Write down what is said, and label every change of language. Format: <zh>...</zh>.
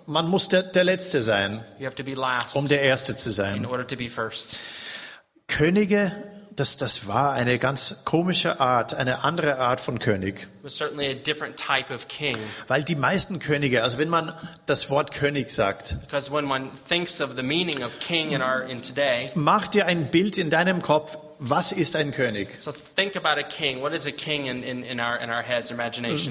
<de>Man muss der Letzte sein,</de> <en>you have to be last,</en> <de>um der Erste zu sein.</de> <en>In order to be first.</en> <de>Könige, Das war eine ganz komische Art, eine andere Art von König.</de> <en>Was certainly a different type of king.</en> <de>Weil die meisten Könige, also wenn man das Wort König sagt,</de> <en>because when one thinks of the meaning of king in today,</en> <de>mach dir ein Bild in deinem Kopf, was ist ein König?</de> <en>So think about a king. What is a king in our heads, imagination?</en>